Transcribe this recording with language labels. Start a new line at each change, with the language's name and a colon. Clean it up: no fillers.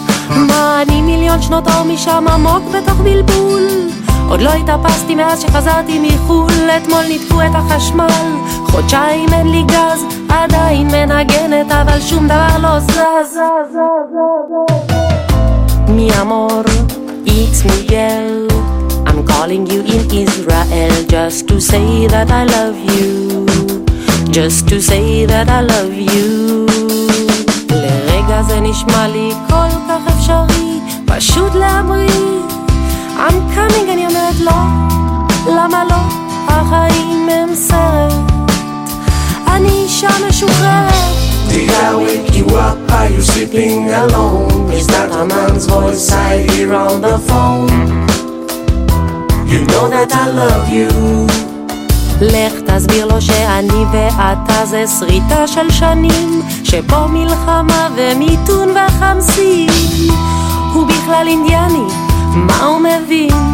Hebrew: מה אני מיליון שנות אור משם עמוק בתוך בלבול? עוד לא התאפסתי מאז שחזרתי מחול. אתמול נתקו את החשמל, חודשיים אין לי גז. עדיין מנגנת אבל שום דבר לא זז. מי אמור,
English: it's Miguel. I'm calling you in Israel just to say that I love you. Just to say that I love you.
Hebrew: לרגע זה נשמע לי כל כך אפשרי פשוט להמריא.
English: I'm coming,
Hebrew: אני אומרת לא, למה לא? החיים הם סרט, אני אישה משוחררת.
English: Did I wake you up? Are you sleeping alone? Is that a man's voice I hear on the phone? You know that I love you.
Hebrew: לך תסביר לו שאני ואתה זה שריטה של שנים, שפה מלחמה ומיתון וחמסים. הוא בכלל אינדיאני, מה הוא מבין?